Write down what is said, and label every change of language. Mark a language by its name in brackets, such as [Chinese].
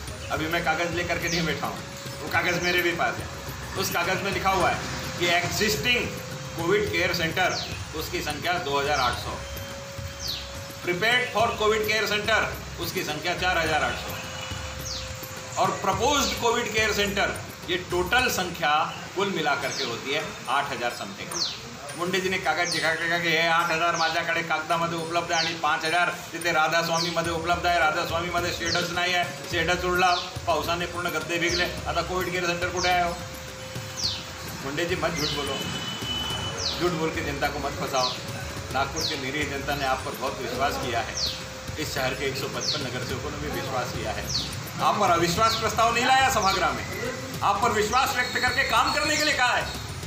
[Hindi] अभी मैं कागज लेकर के नहीं बैठा हूँ, वो कागज मेरे भी पास है। उस कागज में लिखा हुआ है कि एग्जिस्टिंग कोविड केयर सेंटर उसकी संख्या 2,800, prepared for Covid care centre उसकी संख्या 4,800, और प्रपोज्ड कोविड केयर सेंटर ये टोटल संख्या कुल मिलाकर के होती है 8,000 समथिंग। मुंडे जी ने कागज दिखा कर कहा कि [Marathi] 8,000 माझ्या कड़े कागदामध्ये उपलब्ध आहे, 5,000 तिथे राधास्वामीमध्ये उपलब्ध आहे, राधास्वामीमध्ये शेडच नाही आहे, शेडच उडला, पावसाने पूर्ण गद्दे भिगले, आता कोविड केअर सेंटर कुठे आहे हो? [Hindi] मुंडे जी मत झूठ बोलो, झूठ बोल के जनता को मत फंसाओ। नागपुर के निरीह जनता ने आप पर बहुत विश्वास किया है, इस शहर के 155 नगर सेवकों ने भी विश्वास किया है। आप पर अविश्वास प्रस्ताव नहीं लाया सभागृह में, आप पर विश्वास व्यक्त करके काम करने के लिए कहा है।